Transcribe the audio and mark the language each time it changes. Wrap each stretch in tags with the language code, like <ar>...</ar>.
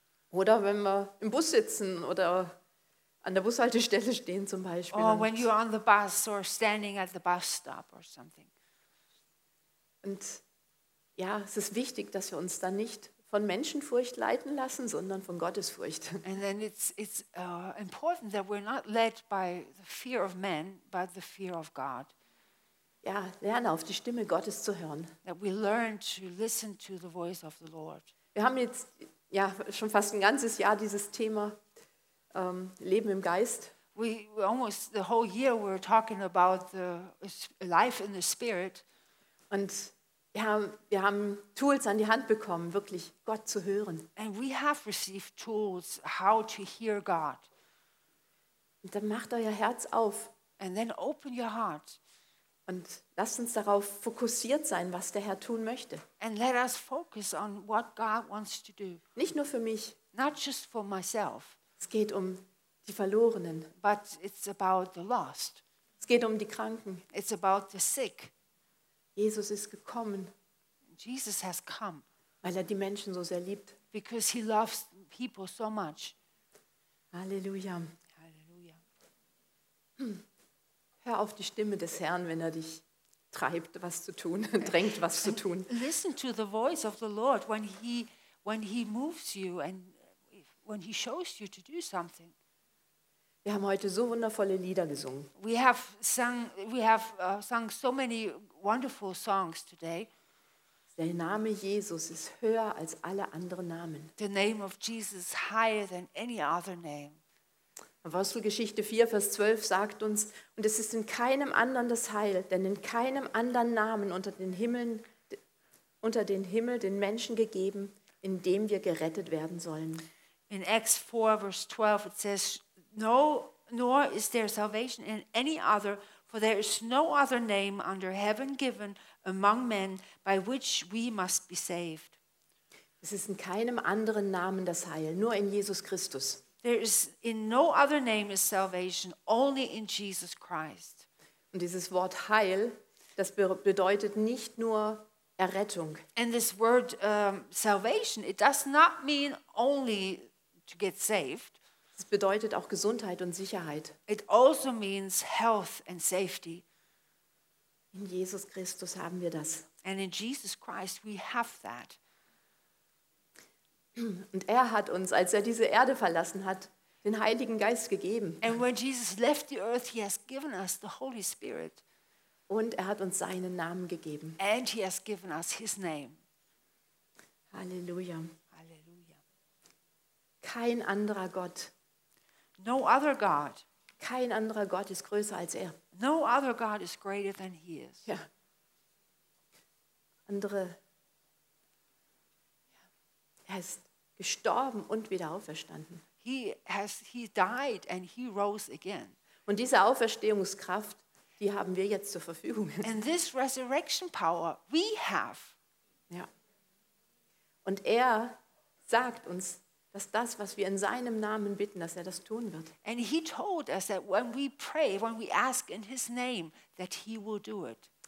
<de>Oder wenn wir im Bus sitzen oder an der Bushaltestelle stehen zum Beispiel.</de> <en>Or when you're on the bus or standing at the bus stop or something.</en> <de>Und ja, es ist wichtig, dass wir uns da nicht von Menschenfurcht leiten lassen, sondern von Gottesfurcht.</de> <en>And then it's important that we're not led by the fear of man, but the fear of God.</en> <de>Ja, lerne auf die Stimme Gottes zu hören.</de> <en>That we learn to listen to the voice of the Lord.</en> <de>Wir haben jetzt ja schon fast ein ganzes Jahr dieses Thema Leben im Geist.</de> <en>We almost the whole year we're talking about the life in the Spirit.</en> <de>Und Wir haben Tools an die Hand bekommen, wirklich Gott zu hören.</de> <en>And we have received tools how to hear God.</en> <de>Und dann macht euer Herz auf.</de> <en>And then open your heart.</en> <de>Und lasst uns darauf fokussiert sein, was der Herr tun möchte.</de> <en>And let us focus on what God wants to do.</en> <de>Nicht nur für mich.</de> <en>Not just for myself.</en> <de>Es geht um die Verlorenen.</de> <en>But it's about the lost.</en> <de>Es geht um die Kranken.</de> <en>It's about the sick.</en> <de>Jesus ist gekommen.</de> <en>Jesus has come.</en> <de>Weil er die Menschen so sehr liebt.</de> <en>Because he loves people so much. Halleluja. Halleluja.</en> <de>Hör auf die Stimme des Herrn, wenn er dich treibt, was zu tun, drängt, was zu tun.</de> <en>Listen to the voice of the Lord when he moves you and when he shows you to do something.</en> <de>Wir haben heute so wundervolle Lieder gesungen.</de> <en>We have sung so many wonderful songs today.</en> <de>Der Name Jesus ist höher als alle anderen Namen.</de> <en>The name of Jesus is higher than any other name.</en> <de>Apostelgeschichte 4, Vers 12 sagt uns, und es ist in keinem anderen das Heil, denn in keinem anderen Namen unter den Himmel den Menschen gegeben, in dem wir gerettet werden sollen.</de> <en>In Acts 4, Vers 12, it says, no, nor is there salvation in any other, for there is no other name under heaven given among men by which we must be saved.</en> <de>Es ist in keinem anderen Namen das Heil, nur in Jesus Christus.</de> <en>There is in no other name is salvation, only in Jesus Christ.</en> <de>Und dieses Wort Heil, das bedeutet nicht nur Errettung.</de> <en>And this word salvation, it does not mean only to get saved.</en> <de>Es bedeutet auch Gesundheit und Sicherheit.</de> <en>It also means health and safety.</en> <de>In Jesus Christus haben wir das.</de> <en>And in Jesus Christ we have that.</en> <de>Und er hat uns, als er diese Erde verlassen hat, den Heiligen Geist gegeben.</de> <en>And when Jesus left the earth, he has given us the Holy Spirit.</en> <de>Und er hat uns seinen Namen gegeben.</de> <en>And he has given us his name. Halleluja. Halleluja.</en> <de>Kein anderer Gott.</de> <en>No other God.</en> <de>Kein anderer Gott ist größer als er.</de> <en>No other God is greater than he is.</en> <de>Ja. Andere. Ja. Er ist gestorben und wieder auferstanden.</de> <en>He died and he rose again.</en> <de>Und diese Auferstehungskraft, die haben wir jetzt zur Verfügung.</de> <en>And this resurrection power we have.</en> <de>Ja. Und er sagt uns, dass das, was wir in seinem Namen bitten, dass er das tun wird.</de> <en>And he told us that when we pray, when we ask in his name, that he will do it.</en>